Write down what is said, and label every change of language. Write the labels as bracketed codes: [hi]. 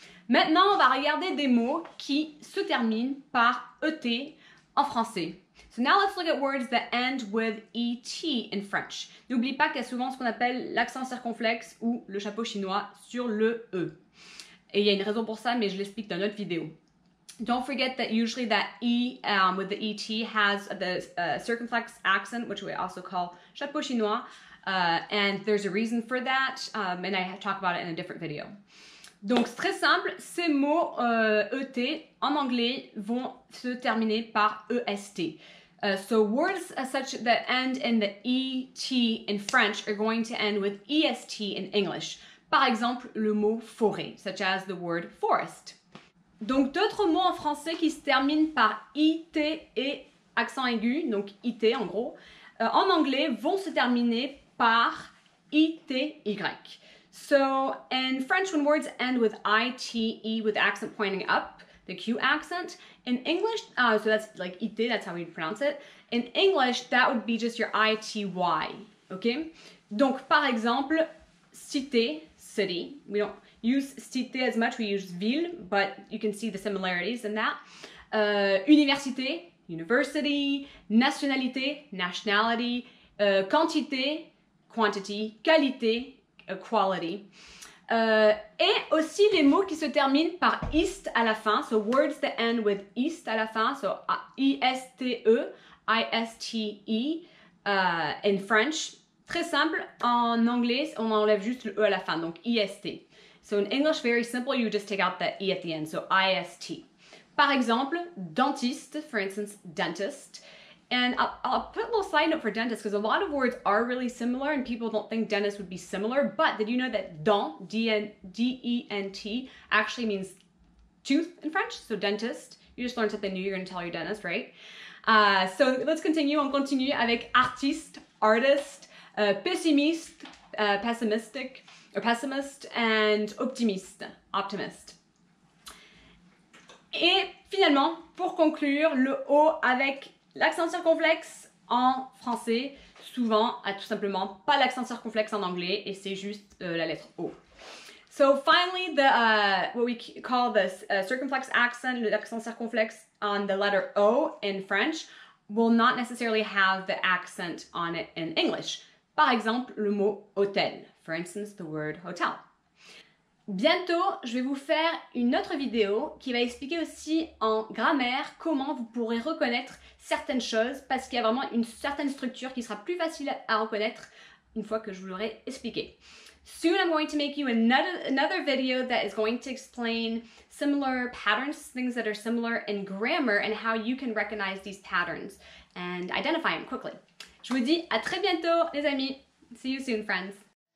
[fr] Maintenant, on va regarder des mots qui se terminent par ET en français. [en] So, now let's look at words that end with ET in French. [fr] N'oublie pas qu'il y a souvent ce qu'on appelle l'accent circonflexe ou le chapeau chinois sur le E. Et il y a une raison pour ça, mais je l'explique dans une autre vidéo. [en] Don't forget that usually that E with the ET has the circumflex accent, which we also call chapeau chinois, and there's a reason for that, and I talk about it in a different video. [fr] Donc, c'est très simple, ces mots ET en anglais vont se terminer par EST. [en] So words such that end in the ET in French are going to end with EST in English. [fr] Par exemple, le mot forêt, [en] such as the word forest. [fr] Donc, d'autres mots en français qui se terminent par IT et accent aigu, donc IT en gros, en anglais vont se terminer par ITY. [en] So, in French, when words end with ITE with accent pointing up, the Q accent, in English, so that's like IT, that's how we pronounce it, in English, that would be just your ITY, okay? Donc, par exemple, cité, city, we don't use cité as much, we use ville, but you can see the similarities in that. [fr] Université, university, nationalité, nationality, quantité, quantity, qualité, quality. Et aussi les mots qui se terminent par iste à la fin, [en] so words that end with iste à la fin, [fr] so I-S-T-E, I-S-T-E, in French. Très simple, en anglais, on enlève juste le E à la fin, donc I-S-T. So in English, very simple, you just take out the E at the end, so I-S-T. Par exemple, dentiste, [en] for instance, dentist. And I'll put a little side note for dentist, because a lot of words are really similar, and people don't think dentist would be similar, but did you know that dent, D-E-N-T, actually means tooth in French? So dentist, you just learned something new, you're going to tell your dentist, right? So let's continue, [fr] on continue avec artiste, [en] artist, pessimiste, pessimistic, or pessimist, and optimiste, optimist. [fr] Et finalement, pour conclure, le O avec l'accent circonflexe en français, souvent, a tout simplement pas l'accent circonflexe en anglais, et c'est juste la lettre O. [en] So finally, the what we call the circumflex accent, l'accent circonflexe on the letter O in French, will not necessarily have the accent on it in English. [fr] Par exemple, le mot hôtel. [en] For instance, the word hotel. [fr] Bientôt, je vais vous faire une autre vidéo qui va expliquer aussi en grammaire comment vous pourrez reconnaître certaines choses parce qu'il y a vraiment une certaine structure qui sera plus facile à reconnaître une fois que je vous l'aurai expliqué. [en] Soon, I'm going to make you another video that is going to explain similar patterns, things that are similar in grammar and how you can recognize these patterns and identify them quickly. [fr] Je vous dis à très bientôt, les amis. [en] See you soon, friends.